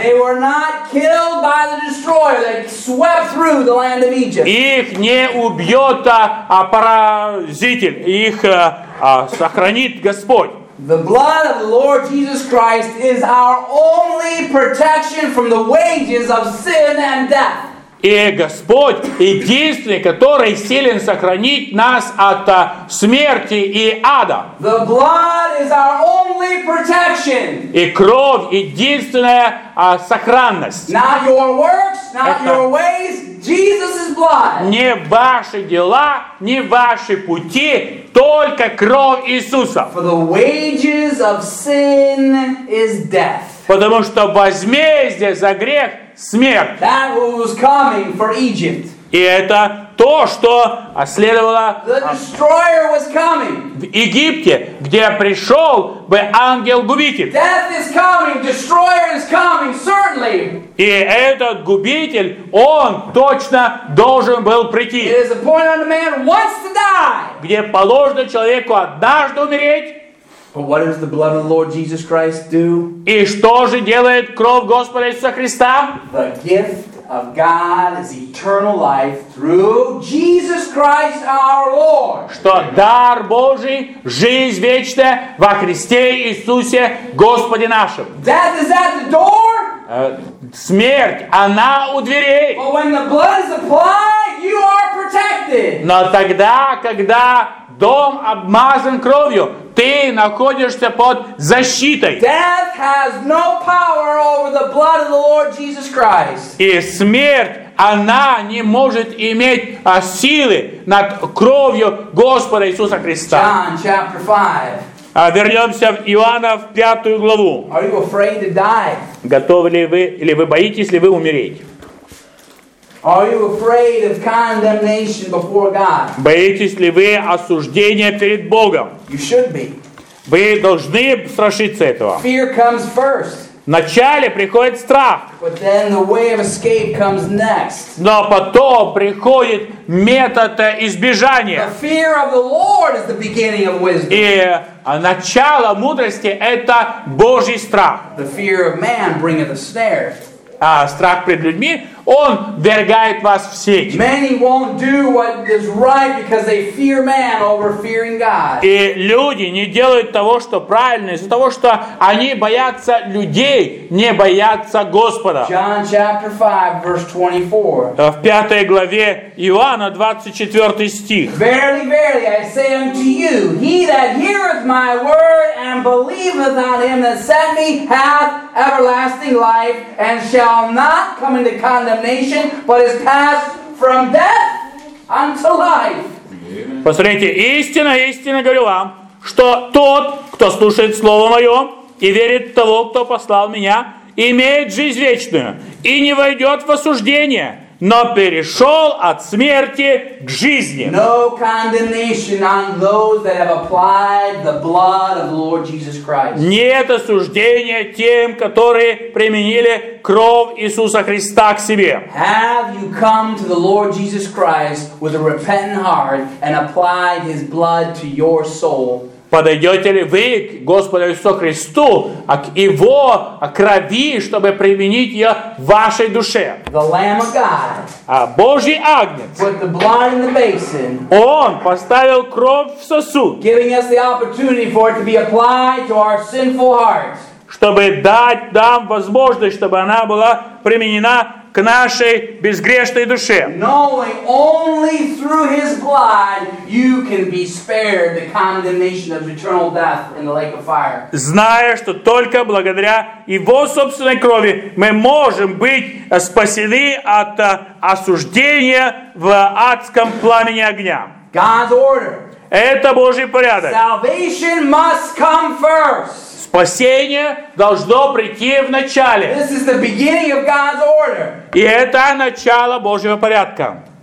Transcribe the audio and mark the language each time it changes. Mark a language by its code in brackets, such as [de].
[en] They were not killed by the destroyer that swept through the land of Egypt. [ru] Их не убьет поразитель. Их сохранит Господь. [en] The blood of the Lord Jesus Christ is our only protection from the wages of sin and death. [ru] И Господь, единственный, который силен сохранить нас от смерти и ада. [en] The blood is our only protection. [ru] И кровь, единственная сохранность. [en] Not your works, not your ways. Jesus' blood. [ru] Не ваши дела, не ваши пути, только кровь Иисуса. [en] For the wages of sin is death. [ru] Потому что возмездие за грех смерть. [en] That was coming for Egypt. [ru] И это то, что следовало в Египте, где пришел бы ангел-губитель. [en] Death is coming, destroyer is coming, certainly. [ru] И этот губитель, он точно должен был прийти. [en] It is appointed unto man once to die. [ru] Где положено человеку однажды умереть. [en] But what does the blood of the Lord Jesus Christ do? [ru] И что же делает кровь Господа Иисуса Христа? [en] The gift of God is eternal life through Jesus Christ our Lord. [ru] Что дар Божий, жизнь вечная во Христе Иисусе Господе нашем. [en] Death is at the door. [ru] Смерть, она у дверей. [en] But when the blood is applied, you are protected. [ru] Но тогда, когда дом обмазан кровью, ты находишься под защитой. [en] Death has no power over the blood of the Lord Jesus Christ. [ru] И смерть, она не может иметь силы над кровью Господа Иисуса Христа. [en] John chapter 5. [ru] Вернемся в Иоанна в 5 главу. [en] Are you afraid to die? [ru] Готовы ли вы, или вы боитесь ли вы умереть? [en] Are you afraid of condemnation before God? [ru] Боитесь ли вы осуждения перед Богом? [en] You should be. [ru] Вы должны страшиться этого. [en] Fear comes first. [ru] Вначале приходит страх. [en] But then the way of escape comes next. [ru] Но потом приходит метод избежания. [en] The fear of the Lord is the beginning of wisdom. [ru] И начало мудрости – это Божий страх. [en] The fear of man bringeth a snare. [ru] А страх пред людьми, он ввергает вас в сеть. [en] Many won't do what is right because they fear man over fearing God. [ru] И люди не делают того, что правильно, из-за того, что они боятся людей, не боятся Господа. [en] John chapter 5, verse 24. [ru] В 5 главе Иоанна 24 стих. [en] Verily, verily, I say unto you, he that heareth my word and believeth on him that sent me hath everlasting life and shall not come into condemnation, but is passed from death unto life. [ru] Посмотрите, истинно, истинно говорю вам, что тот, кто слушает слово мое и верит в того, кто послал меня, имеет жизнь вечную и не войдет в осуждение, но перешел от смерти к жизни. [en] No condemnation on those that have applied the blood of the Lord Jesus Christ. [ru] Нет осуждения тем, которые применили кровь Иисуса Христа к себе. [en] Have you come to the Lord Jesus Christ with a repentant heart and applied His blood to your soul? [ru] Подойдете ли вы к Господу Иисусу Христу, а к Его крови, чтобы применить ее в вашей душе? [en] The Lamb of God. [ru] А Божий Агнец. [en] Put the blood in the basin. [ru] Он поставил кровь в сосуд. [en] Giving us the opportunity for it to be applied to our sinful hearts. [ru] Чтобы дать нам возможность, чтобы она была применена к нашей безгрешной душе. [en] Knowing only through His blood you can be spared the condemnation of eternal death in the lake of fire. [ru] Зная, что только благодаря Его собственной крови мы можем быть спасены от осуждения в адском пламени огня. [en] God's order. [ru] Это Божий порядок. [en] Salvation must come first. [ru] Спасение должно прийти в начале. [en] This is the beginning of God's order. [ru] И это начало Божьего порядка.